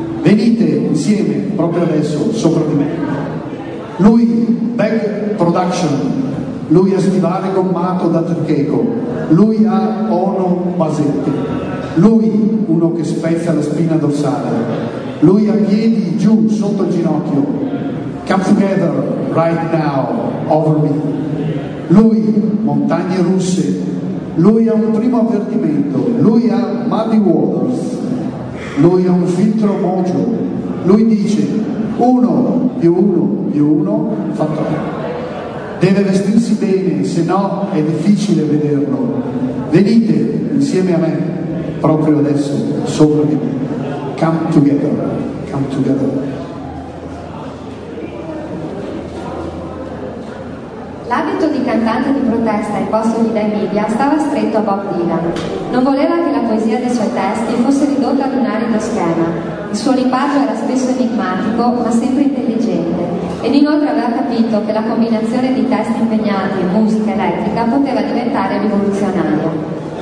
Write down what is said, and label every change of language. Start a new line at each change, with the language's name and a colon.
Italian: Venite insieme, proprio adesso, sopra di me. Lui, Back Production. Lui ha stivale gommato da Tricheco. Lui ha Ono Basetti. Lui, uno che spezza la spina dorsale. Lui ha piedi giù, sotto il ginocchio.
English: Come together, right now, over me.
Italian: Lui, montagne russe. Lui ha un primo avvertimento, lui ha Muddy Waters, lui ha un filtro mojo, lui dice uno più uno fa tre. Deve vestirsi bene, se no è difficile vederlo. Venite insieme a me, proprio adesso, sopra di me.
English: Come together, come together.
Italian: L'abito di cantante di protesta ai postumi dai media stava stretto a Bob Dylan. Non voleva che la poesia dei suoi testi fosse ridotta ad un arido schema. Il suo linguaggio era spesso enigmatico, ma sempre intelligente. Ed inoltre aveva capito che la combinazione di testi impegnati e musica elettrica poteva diventare rivoluzionaria.